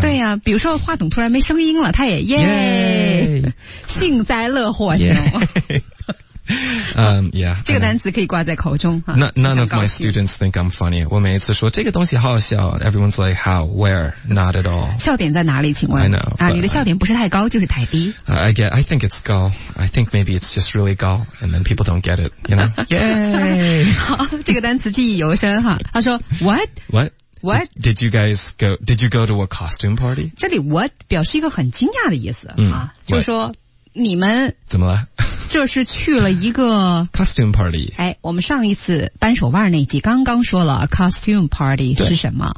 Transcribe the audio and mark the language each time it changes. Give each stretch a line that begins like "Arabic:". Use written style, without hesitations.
Chinese: 对呀、啊，比如说话筒突然没声音了，他也耶，幸灾乐祸型。
English: yeah，
Chinese: 这个单词可以挂在口中哈。
English: None of my students think I'm funny。
Chinese: 我每一次说这个东西好笑
English: ，everyone's like how, where, not at all。
Chinese: 笑点在哪里？请问
English: ？I know
Chinese: 啊，你的笑点不是太高，就是太低。
English: I think it's 高。 I think maybe it's just really 高 ，and then people don't get it。 You know？ Yeah。
Chinese: 好，这个单词记忆犹深哈。他说 What？
English: What？ What? Did you go to a costume party?
Chinese: 这里 what 表示一个很惊讶的意思、啊、就是说、
English: what?
Chinese: 你们怎么了？这是去了一个
English: costume party。
Chinese: 哎，我们上一次扳手腕那集刚刚说了 costume party 是什么，